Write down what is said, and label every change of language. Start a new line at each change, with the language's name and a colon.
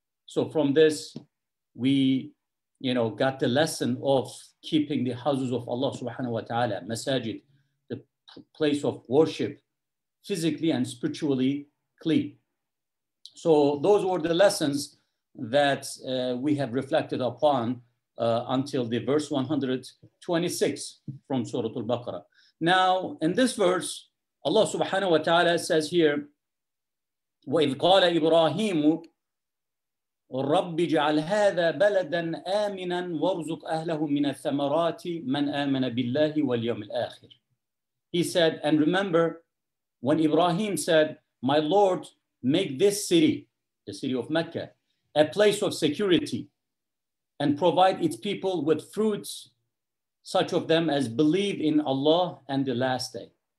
English: So from this, we got the lesson of keeping the houses of Allah subhanahu wa ta'ala, masajid, the place of worship, physically and spiritually clean. So those were the lessons that we have reflected upon until the verse 126 from Surah Al-Baqarah. Now, in this verse, Allah subhanahu wa ta'ala says here,
Arabic: وَإِذْ قَالَ إِبْرَاهِيمُ رَبِّ جَعَلْ هَذَا بَلَدًا آمِنًا وَارْزُقْ أَهْلَهُ مِنَ الثَّمَرَاتِ مَنْ آمَنَ بِاللَّهِ وَالْيَوْمِ الْآخِرِ.
English: He said, and remember when Ibrahim said, my Lord, make this city, the city of Mecca, a place of security and provide its people with fruits, such of them as believe in Allah and the last day.